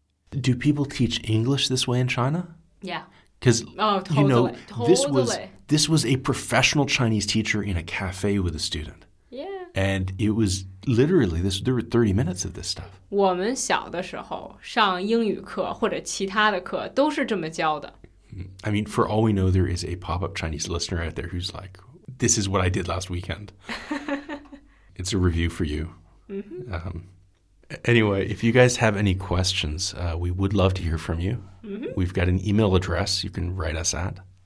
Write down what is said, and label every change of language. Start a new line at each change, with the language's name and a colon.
English: Do people teach English this way in China? Yeah. Because, you know, totally. this was a professional Chinese teacher in a cafe with a student. Yeah. And it was literally, there were 30 minutes of this stuff.
Chinese: 我们小的时候上英语课或者其他的课都是这么教的。
English: I mean, for all we know, there is a pop-up Chinese listener out there who's like, this is what I did last weekend. It's a review for you. Mm-hmm. Anyway, if you guys have any questions, we would love to hear from you. Mm-hmm. We've got an email address you can write us at.